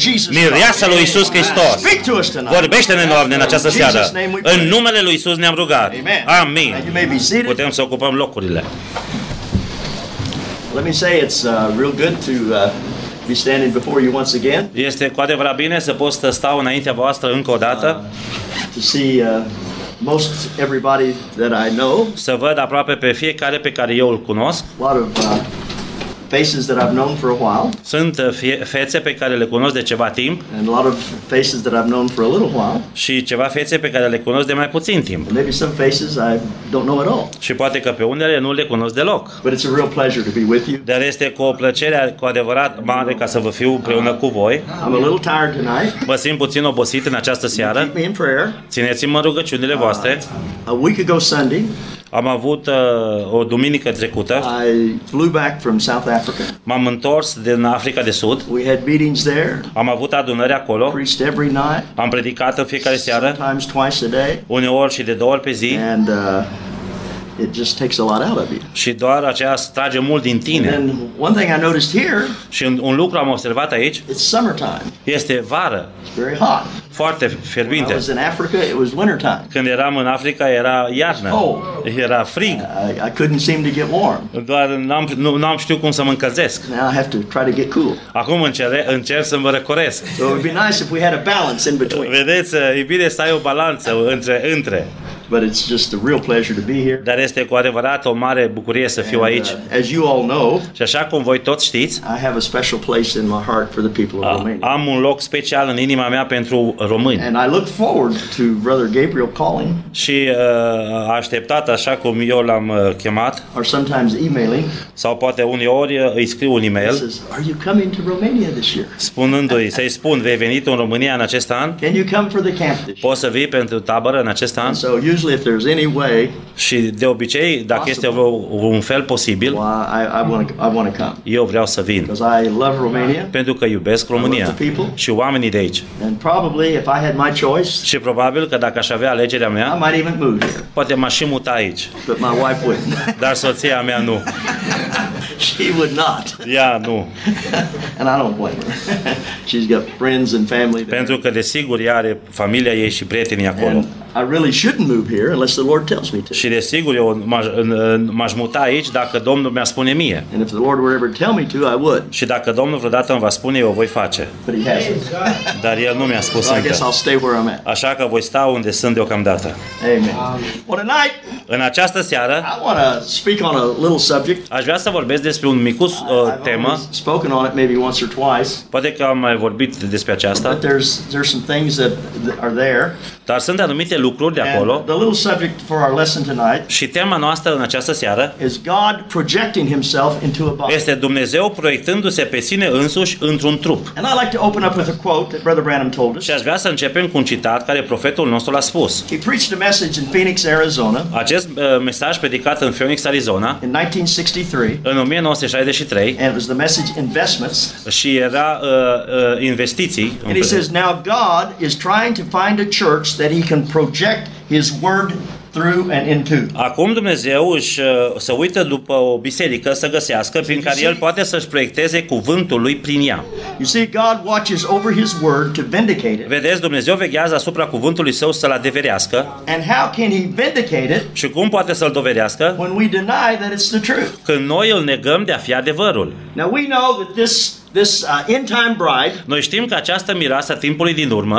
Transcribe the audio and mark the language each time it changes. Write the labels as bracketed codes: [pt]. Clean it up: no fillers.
[ro] Mireasa lui Iisus Hristos. Vorbește-ne noi în această seară. În numele lui Iisus ne-am rugat. Amin. Putem să ocupăm locurile. [en] Let me say it's real good to be standing before you once again. [ro] Este cu adevărat bine să pot să stau înaintea voastră încă o dată. [en] To see most everybody that I know. [ro] Să văd aproape pe fiecare pe care eu îl cunosc. [en] A lot of faces that I've known for a while. [ro] Sunt fețe pe care le cunosc de ceva timp. [en] And a lot of faces that I've known for a little while. [ro] Și ceva fețe pe care le cunosc de mai puțin timp. [en] Maybe some faces I don't know at all. [ro] Și poate că pe unele nu le cunosc deloc. [en] But it's a real pleasure to be with you. [ro] Dar este cu o plăcere cu adevărat mare ca să vă fiu împreună cu voi. [en] I'm a little tired tonight. [ro] Mă simt puțin obosit în această seară. [en] Keep me in prayer. [ro] Țineți-mă în rugăciunile voastre. [en] A week ago Sunday. [ro] Am avut o duminică trecută. [en] I flew back from South Africa. [ro] M-am întors din Africa de Sud. [en] We had meetings there. [ro] Am avut adunări acolo. [en] Preached every night. [ro] Am predicat în fiecare seară. [en] Sometimes twice a day. [ro] Uneori și de două ori pe zi. [en] And it just takes a lot out of you. [ro] Și doar aceea trage mult din tine. [en] And one thing I noticed here. [ro] Și un lucru am observat aici. [en] It's summertime. [ro] Este vară. [en] It's very hot. [ro] Foarte fierbinte. [en] When I was in Africa, it was winter time. [ro] Când eram în Africa, era iarnă. [en] Cold. [ro] Era frig. [en] I couldn't seem to get warm. [ro] Doar n-am știut cum să mă încălzesc. [en] Now I have to try to get cool. [ro] Acum încerc să mă răcoresc. [en] So it would be nice if we had a balance in between. [ro] Vedeți, e bine să ai o balanță între. [en] But it's just a real pleasure to be here. [ro] Dar este cu adevărat o mare bucurie să fiu aici. [en] As you all know, [ro] și așa cum voi toți știți, [en] I have a special place in my heart for the people of Romania. [ro] Am un loc special în inima mea pentru români. [en] And I look forward to Brother Gabriel calling. [ro] Și așteptat așa cum eu l-am chemat. [en] Or sometimes emailing. [ro] Sau poate uneori îi scriu un email. [en] Says, are you coming to Romania this year? [ro] Spunându-i, să-i spun, vei veni tu în România în acest an? [en] Can you come for the camp this year? [ro] Poți să vii pentru tabără în acest an? [en] So usually if there's any way. [ro] Și de obicei, dacă este un fel posibil, [en] I want to come. [ro] Eu vreau să vin. [en] Because I love Romania. [ro] Pentru că iubesc România. [en] I love the people. [ro] Și oamenii de aici. [en] And probably if I had my choice. [ro] Și probabil că dacă aș avea alegerea mea, [en] I might even move here. [ro] Poate m-aș și muta aici. [en] But my wife wouldn't. [ro] Dar soția mea nu. [en] She would not. [ro] Ea nu. [en] And I don't blame her. She's got friends and family there. [ro] Pentru că desigur ea are familia ei și prietenii acolo. [en] I really shouldn't move here unless the Lord tells me to. [ro] Și desigur eu m-aș muta aici dacă Domnul mi-a spune mie. [en] And if the Lord were ever to tell me to, I would. [ro] Și dacă Domnul vreodată îmi va spune, eu voi face. [en] But he hasn't. [ro] Dar el nu mi-a spus [en] so [ro] încă. [en] I guess I'll stay where I'm at. [ro] Așa că voi sta unde sunt deocamdată. [en] Amen. What a night. [ro] În această seară, [en] I want to speak on a little subject. [ro] Aș vrea să vorbesc despre un micus temă. [en] I've spoken on it maybe once or twice. [ro] Poate că am mai vorbit despre aceasta. [en] But there's some things that are there. [ro] Dar sunt anumite lucruri de acolo. [en] The little subject for our lesson tonight. [ro] Și tema noastră în această seară [en] is God projecting himself into a body. [ro] Este Dumnezeu proiectându-se pe sine însuși într-un trup. [en] And I'd like to open up with a quote that Brother Branham told us. [ro] Și aș vrea să începem cu un citat care profetul nostru l-a spus. [en] He preached a message in Phoenix, Arizona. [ro] Acest mesaj predicat în Phoenix, Arizona. [en] In 1963. [ro] În 1963. [en] And it was the message investments. [ro] Și era investiții. [en] And he says now God is trying to find a church that he can project his word through and into. [ro] Acum Dumnezeu își se uită după o biserică să găsească prin care el poate să-și proiecteze cuvântul lui prin ea. [en] You see, God watches over his word to vindicate it. [ro] Vedeți, Dumnezeu veghează asupra cuvântului său să-l adeverească. [en] And how can he vindicate it? [ro] Și cum poate să-l dovedească? [en] When we deny that it's the truth. [ro] Când noi îl negăm de a fi adevărul. [en] Now we know that this end time bride. [ro] Noi știm că această mireasă timpului din urmă,